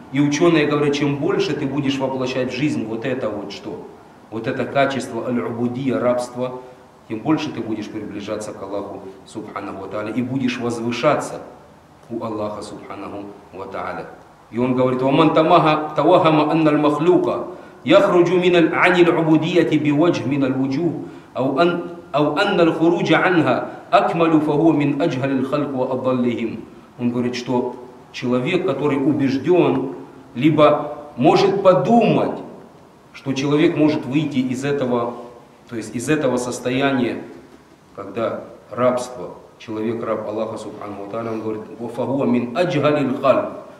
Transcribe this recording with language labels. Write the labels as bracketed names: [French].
[Russian] И ученые говорят, чем больше ты будешь воплощать в жизнь вот это вот что? Вот это качество аль-убудия, рабство, тем больше ты будешь приближаться к Аллаху, субхану ва тааля, и будешь возвышаться у Аллаха, субхану ва тааля. И он говорит, [Arabic] «Ва ман тамага тавахама анна аль-махлюка». يخرج من عن العبودية بوجه من الوجوه أو أن الخروج عنها أكمل فهو من أجهل الخلق وأضلهم. [Russian] Он говорит, что человек, который убежден, либо может подумать, что человек может выйти из этого, то есть из этого состояния, когда рабство, человек раб Аллаха Субхану ва Тааля, он говорит, [Arabic] «Вафахуа мин аджгалил хальб».